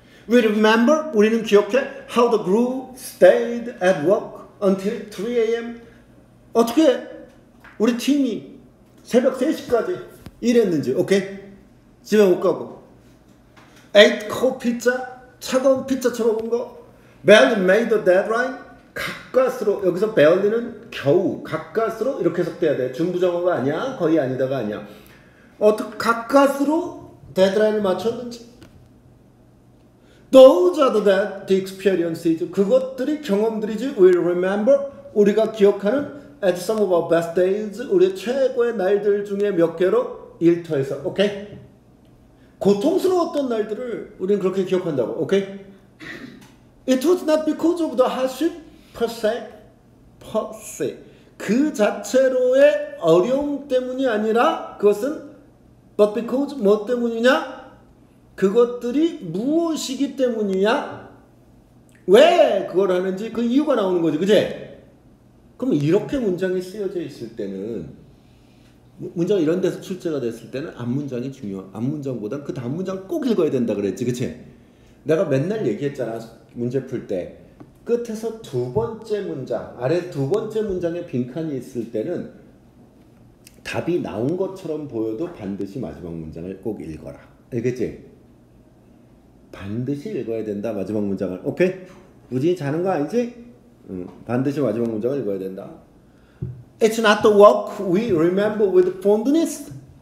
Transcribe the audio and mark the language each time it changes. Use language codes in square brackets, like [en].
[en] We remember, 우리는 기억해, how the group stayed at work until 3 a.m. [ko] 어떻게 우리 팀이 새벽 3시까지 일했는지, 오케이? Okay? 집에 못 가고. 8-core 피자, 차가운 피자 쳐먹은 거. Barely made the deadline, 가까스로, 여기서 barely는 겨우, 가까스로 이렇게 해석돼야 돼. 준부정어가 아니야, 거의 아니다가 아니야. 어떻게 가까스로 데드라인을 맞췄는지. [en] Those are the experiences. 그것들이 경험들이지. We'll remember. 우리가 기억하는 at some of our best days. [ko] 우리의 최고의 날들 중에 몇 개로 일터에서. 오케이? Okay? 고통스러웠던 날들을 우리는 그렇게 기억한다고. 오케이? Okay? [en] It was not because of the hardship per se. [ko] Per se. 그 자체로의 어려움 때문이 아니라 그것은 But because, 뭐 때문이냐? 그것들이 무엇이기 때문이냐? 왜 그걸 하는지 그 이유가 나오는 거지, 그치? 그럼 이렇게 문장이 쓰여져 있을 때는 문장 이런 데서 출제가 됐을 때는 앞 문장이 중요, 앞 문장보단 그 다음 문장 꼭 읽어야 된다 그랬지, 그치? 내가 맨날 얘기했잖아, 문제 풀 때 끝에서 두 번째 문장, 아래 두 번째 문장에 빈칸이 있을 때는 답이 나온 것처럼 보여도 반드시 마지막 문장을 꼭 읽어라. 알겠지? 반드시 읽어야 된다, 마지막 문장을. 오케이? 무진이 자는 거 아니지? 반드시 마지막 문장을 읽어야 된다. [en] It's not the work we remember with fondness.